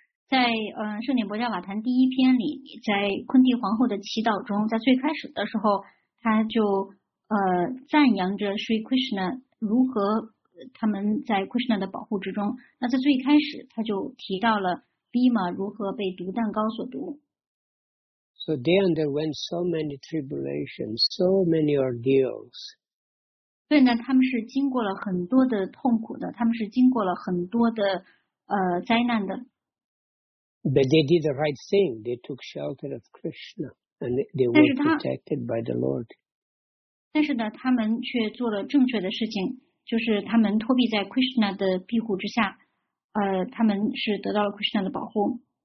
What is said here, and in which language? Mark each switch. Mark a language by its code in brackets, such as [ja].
[zh] 在圣典薄伽瓦坛第一篇里，在昆蒂皇后的祈祷中，在最开始的时候，她就赞扬着 Sri Krishna 如何他们在 Krishna 的保护之中。那在最开始他就提到了 Bhima 如何被毒蛋糕所毒。 [en] So they underwent so many tribulations, so many ordeals. [zh] 对呢，他们是经过了很多的痛苦的，他们是经过了很多的灾难的。 [en] But they did the right thing. They took shelter of Krishna and they were protected by the Lord. [zh] 但是呢，他们却做了正确的事情，就是他们托庇在 Krishna 的庇护之下，他们是得到了 Krishna 的保护。